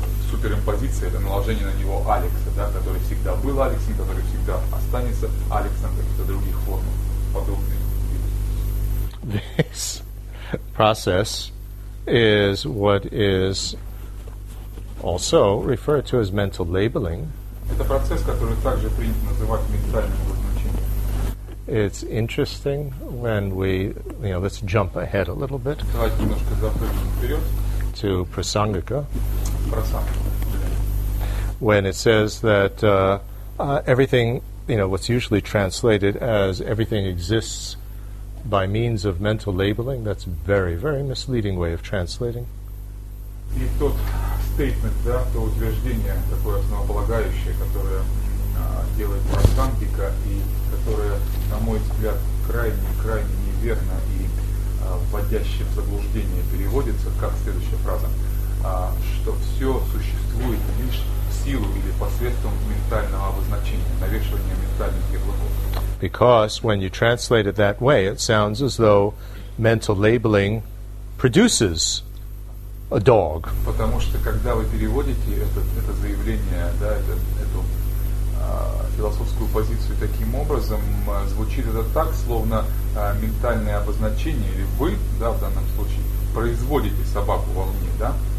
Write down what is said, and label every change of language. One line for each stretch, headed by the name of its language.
Russian: Суперимпозиция — это наложение на него Алекса, да, который всегда был Алексом, который всегда останется Алексом, каких-то других форм, подобных.
English: This process is what is also referred to as mental labeling.
Russian: Это процесс, который также принято называть ментальным обозначением.
English: It's interesting when we, you know, let's jump ahead a little bit.
Russian: Давайте немножко запрыгнем вперед.
English: To prasangika.
Russian: Prasangika.
English: When it says that everything, you know, what's usually translated as everything exists by means of mental labeling, that's a very, very misleading way of translating.
Russian: И тот statement, да, то утверждение, такое основополагающее, которое делает прасангика, и которое, на мой взгляд, крайне неверно и вводящее в заблуждение переводится, как следующая фраза, что все существует лишь в силу или посредством ментального обозначения, навешивания ментальных ярлыков.
English: Because when you translate it that way, it sounds as though mental labeling produces a dog.
Russian: Потому что когда вы переводите это заявление, да, эту философскую позицию таким образом, звучит это так, словно ментальное обозначение, или вы, да, в данном случае, производите собаку во мне, да?